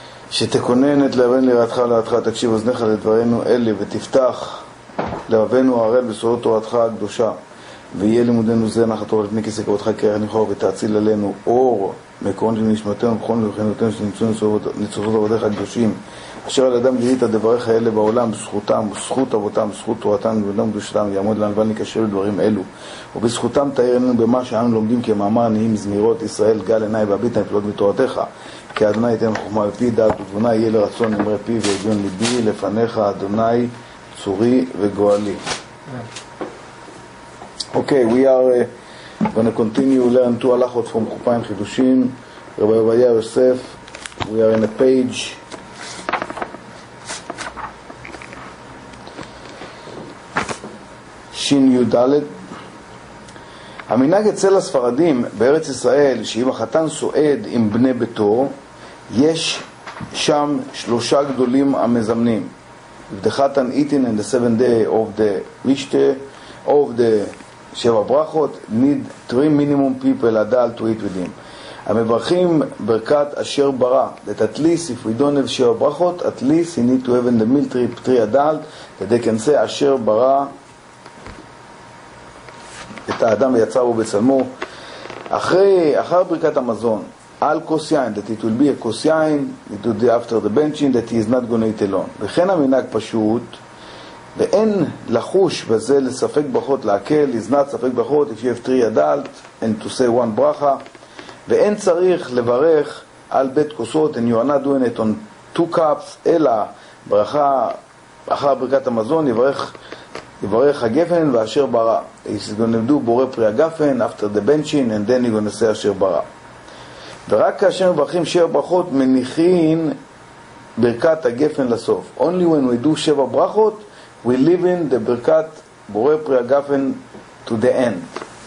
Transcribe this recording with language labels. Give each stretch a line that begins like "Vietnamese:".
Hebrew: שתכונן את לבן לראתך ולראתך, תקשיב אוזניך לדברינו אלה, ותפתח לבנו הראל בסורות תורתך הקדושה, ויהיה לימודנו זה נחת אור לפני כיסא כבודך כערך ניחוח, ותאציל עלינו אור מקורן של נשמתנו וכל מיוחדותינו שנמצאו נצורות עבודיך הקדושים, אשר על אדם גילית דבריך אלה בעולם בזכותם, בזכות אבותם, בזכות תורתם ובדם קדושתם, יעמוד לנו ואל ניקשר לדברים אלו, ובזכותם תאיר עינינו במה שאנו לומדים כמאמר נהיים זמירות ישראל גל עיניי והביטה נפלות מתורתך, כי אדוני ייתן חוכמה ופי דעת ותבונה, יהיה לרצון אמרי פי ויגיון ליבי לפניך אדוני צורי וגואלי.
English: Okay, we are going to continue learn two הלכות from חופיים חידושים, רבי עובדיה יוסף. We are in a page שין יו דלת.
Hebrew: המנהג אצל הספרדים בארץ ישראל, שאם החתן סועד עם בני ביתו, יש שם שלושה גדולים המזמנים, דחתן איטין in the seven day of the מישתה, of the שבע ברכות,
English: need three minimum people adult to eat with him.
Hebrew: המברכים ברכת אשר ברא,
English: that at least if we don't have שבע ברכות, at least he need to have in the meal three adult, that they can say
Hebrew: אשר ברא את האדם ויצרו בצלמו. אחר ברכת המזון על כוס יין,
English: that it will be a כוס יין, it will be after the benching, that he is not going to eat alone.
Hebrew: וכן המנהג פשוט, ואין לחוש בזה לספק ברכות להקל,
English: is not
Hebrew: ספק ברכות,
English: if you have three adult, and to say one
Hebrew: ברכה, ואין צריך לברך על בית כוסות,
English: and you are not doing it on two cups,
Hebrew: אלא ברכה אחר ברכת המזון, יברך הגפן ואשר ברא.
English: He's going to do בורא פרי הגפן after the benching, and then he's going to say אשר ברא.
Hebrew: ורק כאשר מברכים שבע ברכות מניחים ברכת הגפן לסוף.
English: Only when we do שבע ברכות, we live in the ברכת בורא פרי הגפן to the end.